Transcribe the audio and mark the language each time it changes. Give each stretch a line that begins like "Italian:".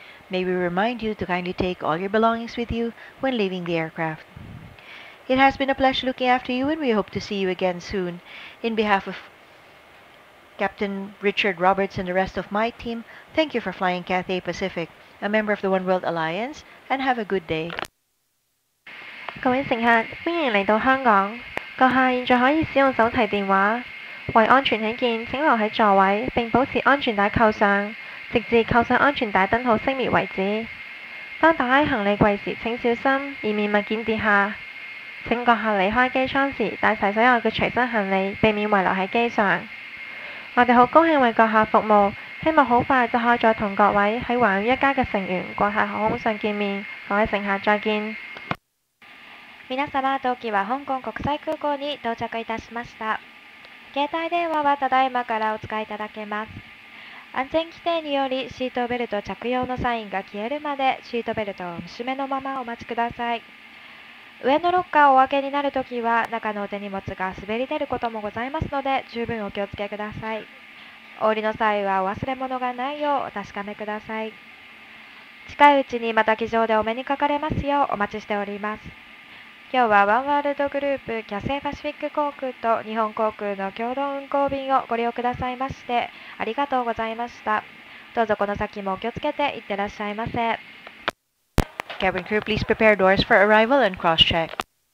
English: May we remind you to kindly take all your belongings with you when leaving the aircraft. It has been a pleasure looking after you and we hope to see you again soon. In behalf of Captain Richard Roberts and the rest of my team, thank you for flying Cathay Pacific. A member of the One World Alliance, and have a good day.
Cantonese: 各位乘客，欢迎来到香港。阁下现在可以使用手提电话。为安全起见，请留在座位，并保持安全带扣上，直至扣上安全带灯号熄灭为止。当打开行李柜时，请小心，以免物件跌下。请阁下离开机舱时，带齐所有嘅随身行李，避免遗留在机上。我哋好高兴为阁下服务。希望好快就可以再同各位喺华远一家嘅成员国泰航空上见面，各位乘客再见。
Japanese: 皆様、同機は香港国際空港に到着いたしました。携帯電話はただいまからお使いいただけます。安全規定によりシートベルト着用のサインが消えるまでシートベルトを締めのままお待ちください。上のロッカーをお開けになるときは中の手荷物が滑り出ることもございますので十分お気をつけください。お降りの際はお忘れ物がないようお確かめください。近いうちにまた機場でお目にかかれますようお待ちしております。今日はワンワールドグループキャセイパシフィック航空と日本航空の共同運航便をご利用くださいましてありがとうございました。どうぞこの先もお気をつけていってらっしゃいませ。
English: Cabin crew, please prepare doors for arrival and cross check.